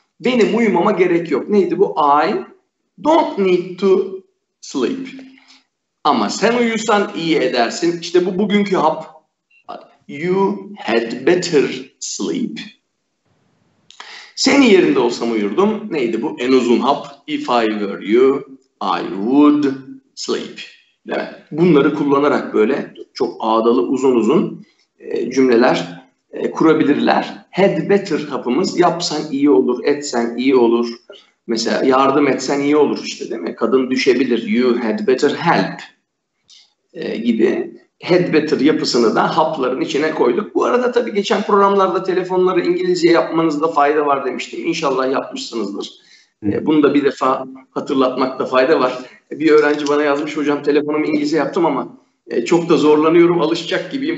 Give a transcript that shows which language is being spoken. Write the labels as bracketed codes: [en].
[tr] Benim uyumama gerek yok. Neydi bu? [en] I don't need to sleep. [tr] Ama sen uyusan iyi edersin. İşte bu bugünkü hap. [en] You had better sleep. [tr] Senin yerinde olsam uyurdum. Neydi bu? En uzun hap. [en] If I were you, I would sleep. [tr] Evet. Bunları kullanarak böyle çok ağdalı uzun uzun cümleler kurabilirler. Had better hapımız, yapsan iyi olur, etsen iyi olur. Mesela yardım etsen iyi olur işte, değil mi? Kadın düşebilir. [en] You had better help [tr] gibi. Had better yapısını da hapların içine koyduk. Bu arada tabii geçen programlarda telefonları İngilizce yapmanızda fayda var demiştim. İnşallah yapmışsınızdır. Bunu da bir defa hatırlatmakta fayda var. Bir öğrenci bana yazmış, hocam telefonumu İngilizce yaptım ama çok da zorlanıyorum, alışacak gibiyim.